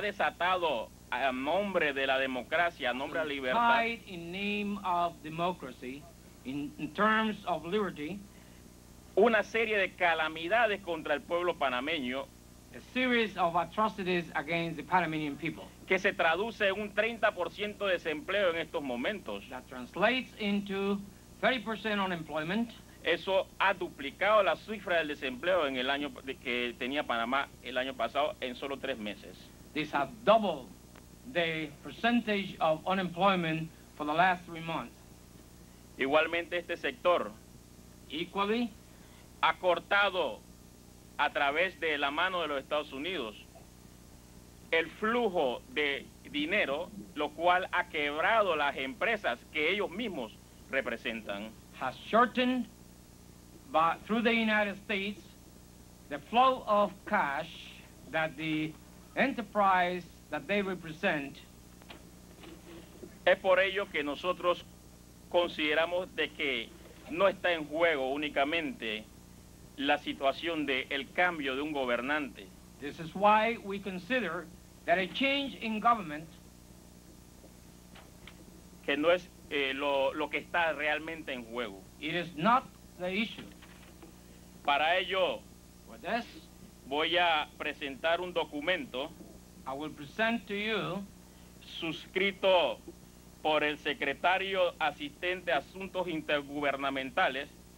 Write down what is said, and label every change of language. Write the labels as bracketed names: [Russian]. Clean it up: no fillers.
[Spanish] desatado a nombre de la democracia, a nombre de la libertad, [English] in name of democracy, in terms of liberty, [Spanish] una serie de calamidades contra el pueblo panameño, [English] a series of atrocities against the Panamanian people, [Spanish] que se traduce en un 30% de desempleo en estos momentos. [English] That translates into 30% unemployment. [Spanish] Eso ha duplicado la cifra del desempleo en el año que tenía Panamá el año pasado en solo 3 meses. [English] This has doubled the percentage of unemployment for the last 3 months. [Spanish] Igualmente este sector [English] equally [Spanish] ha cortado a través de la mano de los Estados Unidos el flujo de dinero, lo cual ha quebrado las empresas que ellos mismos representan. [English] Has shortened by, through the United States the flow of cash that the enterprise that they represent. [Spanish] Es por ello que nosotros consideramos de que no está en juego únicamente la situación de el cambio de un gobernante. [English] This is why we consider that a change in government, [Spanish] que no es lo que está realmente en juego. [English] It is not the issue. [Spanish] Para ello, [English] for this, [Spanish] voy a presentar un documento. [English] I will present to you, [Spanish] suscrito por el secretario asistente de asuntos intergubernamentales.